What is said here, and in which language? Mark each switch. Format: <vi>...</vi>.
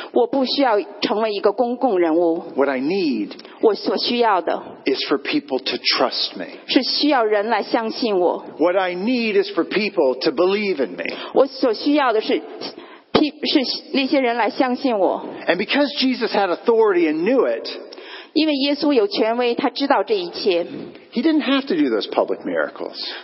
<en>What I need is for people to trust me. What I need is for people to believe in me. And because Jesus had authority and knew it,</en> <zh>因为耶稣有权威, 他知道这一切,</zh> <en>he didn't have to do those public miracles.</en>